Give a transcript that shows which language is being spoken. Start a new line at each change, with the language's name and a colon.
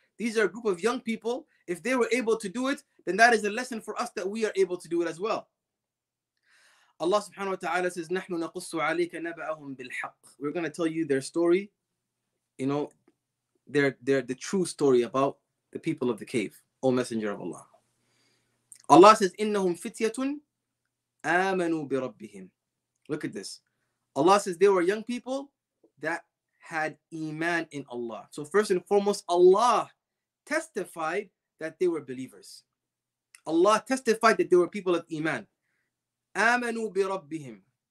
English: These are a group of young people. If they were able to do it, then that is a lesson for us that we are able to do it as well. Allah subhanahu wa ta'ala says,
Arabic: نَحْنُ نَقُصُّ عَلَيْكَ نَبَأَهُمْ بِالْحَقِّ.
English: We're going to tell you their story, you know, their the true story about the people of the cave, O Messenger of Allah. Allah says,
Arabic: إِنَّهُمْ فِتْيَةٌ آمَنُوا بِرَبِّهِمْ.
English: Look at this. Allah says they were young people that had iman in Allah. So first and foremost, Allah testified that they were believers. Allah testified that they were people of iman.
Arabic: آمنوا بربهم.